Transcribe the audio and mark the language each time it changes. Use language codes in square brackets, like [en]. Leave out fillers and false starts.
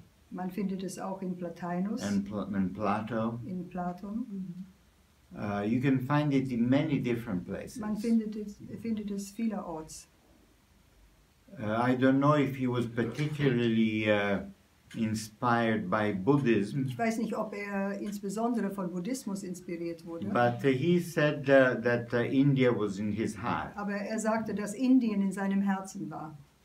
[de] Man findet es auch in Plotinus. [en] And in Plato. [de] In Platon. Mm-hmm. [en] You can find it in many different places. [de] Man findet es vielerorts. [en] I don't know if he was particularly inspired by Buddhism. [de] Ich weiß nicht, ob er insbesondere von Buddhismus inspiriert wurde. [en] But he said that India was in his heart. [de] Aber er sagte, dass Indien in seinem Herzen war.